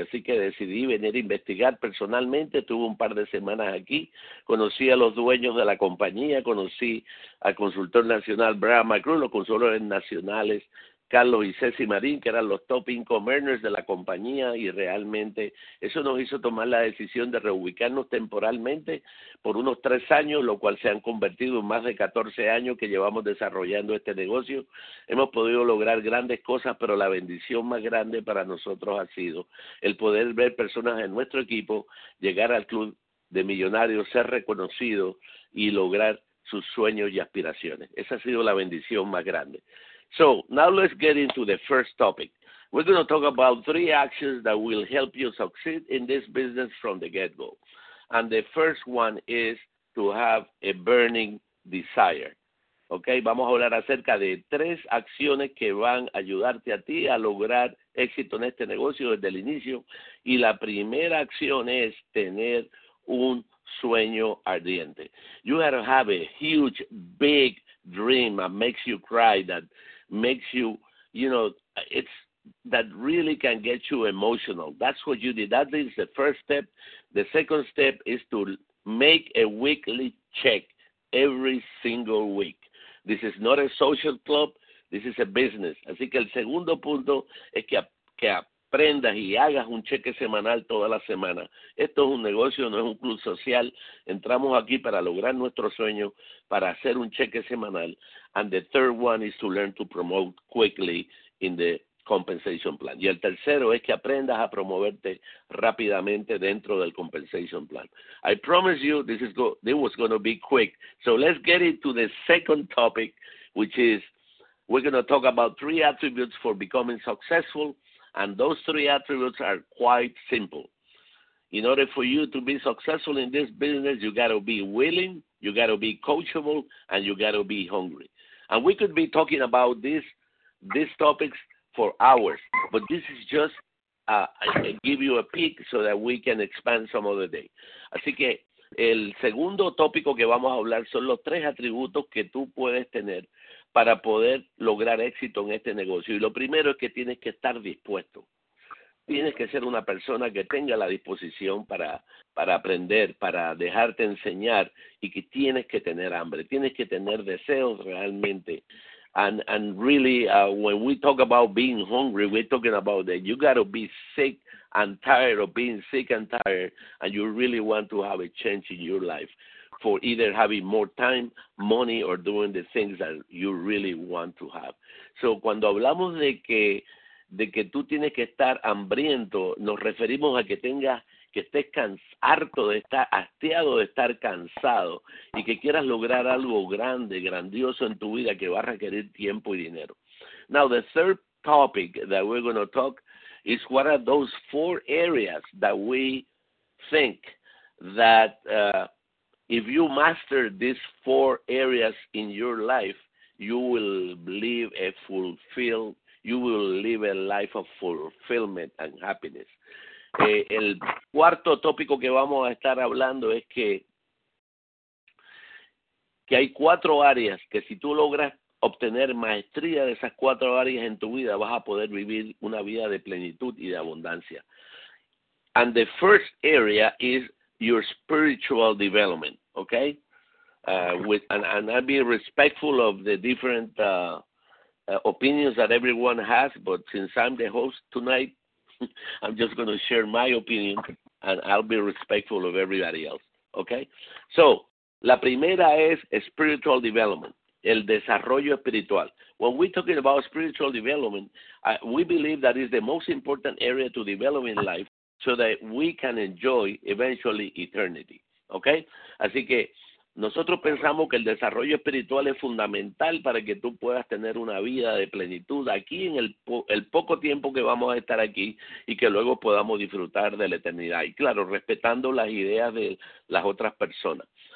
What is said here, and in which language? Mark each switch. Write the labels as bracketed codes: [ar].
[es] Así que decidí venir a investigar personalmente. Estuve un par de semanas aquí, conocí a los dueños de la compañía, conocí al consultor nacional Brad McClure, los consultores nacionales Carlos y Ceci Marín, que eran los top income earners de la compañía, y realmente eso nos hizo tomar la decisión de reubicarnos temporalmente por unos 3 años, lo cual se han convertido en más de 14 años que llevamos desarrollando este negocio. Hemos podido lograr grandes cosas, pero la bendición más grande para nosotros ha sido el poder ver personas de nuestro equipo llegar al club de millonarios, ser reconocido y lograr sus sueños y aspiraciones. Esa ha sido la bendición más grande. [en] So now let's get into the first topic. We're going to talk about 3 actions that will help you succeed in this business from the get-go. And the first one is to have a burning desire. [es] Okay, vamos a hablar acerca de 3 acciones que van a ayudarte a ti a lograr éxito en este negocio desde el inicio. Y la primera acción es tener un sueño ardiente. [en] You have to have a huge, big dream that makes you cry, that makes you, you know, it's that really can get you emotional. That's what you did. That is the first step. The second step is to make a weekly check every single week. This is not a social club. This is a business. [es] Así que el segundo punto es que aprendas y hagas un cheque semanal toda la semana. Esto es un negocio, no es un club social. Entramos aquí para lograr nuestro sueño, para hacer un cheque semanal. [en] And the third one is to learn to promote quickly in the compensation plan. [es] Y el tercero es que aprendas a promoverte rápidamente dentro del [en] compensation plan. I promise you this was going to be quick. So let's get into the second topic, which is we're going to talk about 3 attributes for becoming successful. And those 3 attributes are quite simple. In order for you to be successful in this business, you got to be willing, you got to be coachable, and you got to be hungry. And we could be talking about these topics for hours, but this is just I give you a peek so that we can expand some other day. [es] Así que el segundo tópico que vamos a hablar son los 3 atributos que tú puedes tener para poder lograr éxito en este negocio. Y lo primero es que tienes que estar dispuesto. Tienes que ser una persona que tenga la disposición para aprender, para dejarte enseñar, y que tienes que tener hambre, tienes que tener deseos realmente. [en] And really, when we talk about being hungry, we're talking about that you got to be sick and tired of being sick and tired, and you really want to have a change in your life for either having more time, money, or doing the things that you really want to have. [es] So cuando hablamos de que tú tienes que estar hambriento, nos referimos a que tengas que estés harto de estar hastiado de estar cansado y que quieras lograr algo grande, grandioso en tu vida que va a requerir tiempo y dinero. [en] Now, the third topic that we're going to talk is what are those four areas that we think that if you master these four areas in your life, you will live a fulfilled You will live a life of fulfillment and happiness. [es] El cuarto tópico que vamos a estar hablando es que hay cuatro áreas que si tú logras obtener maestría de esas cuatro áreas en tu vida, vas a poder vivir una vida de plenitud y de abundancia. [en] And the first area is your spiritual development, okay? And I'll be respectful of the different opinions that everyone has, but since I'm the host tonight, I'm just going to share my opinion and I'll be respectful of everybody else. Okay? [es] So, la primera es [en] spiritual development, [es] el desarrollo espiritual. [en] When we're talking about spiritual development, we believe that is the most important area to develop in life so that we can enjoy eventually eternity. Okay? [es] Así que nosotros pensamos que el desarrollo espiritual es fundamental para que tú puedas tener una vida de plenitud aquí en el poco tiempo que vamos a estar aquí y que luego podamos disfrutar de la eternidad. Y claro, respetando las ideas de las otras personas.